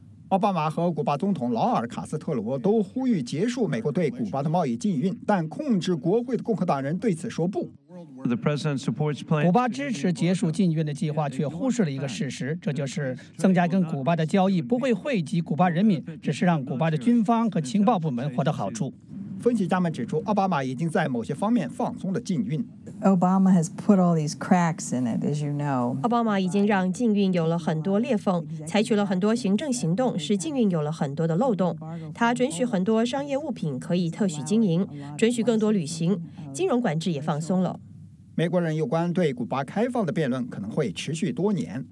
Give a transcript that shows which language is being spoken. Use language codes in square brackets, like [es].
[zh] 奥巴马和古巴总统劳尔·卡斯特罗都呼吁结束美国对古巴的贸易禁运，但控制国会的共和党人对此说不。古巴支持结束禁运的计划，却忽视了一个事实，这就是增加跟古巴的交易不会惠及古巴人民，只是让古巴的军方和情报部门获得好处。分析家们指出，奥巴马已经在某些方面放松了禁运。 [en] Obama has put all these cracks in it, as you know. [zh] 奥巴马已经让禁运有了很多裂缝，采取了很多行政行动，使禁运有了很多的漏洞。他准许很多商业物品可以特许经营，准许更多旅行，金融管制也放松了。美国人有关对古巴开放的辩论可能会持续多年。